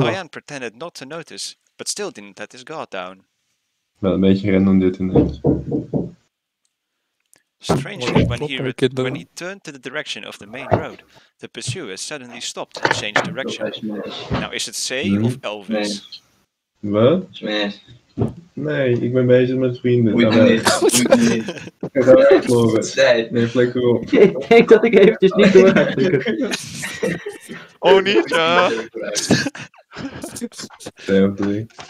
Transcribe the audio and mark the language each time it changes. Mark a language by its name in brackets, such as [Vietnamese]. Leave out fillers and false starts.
[English] Cyan pretended not to notice, but still didn't let his guard down. [Dutch] Wel een beetje random dit ineens. [English] Strangely, when he turned to the direction of the main road, the pursuer suddenly stopped and changed direction. Now is it Say of Elvis? [Dutch] Nee. Wat? Nee. Nee, ik ben bezig met vrienden. Moet nee. Niet. Moet niet. Ik ga het nee, vlek erop. Ik denk dat ik eventjes niet door heb. Oh, niet, ja. Twee of drie.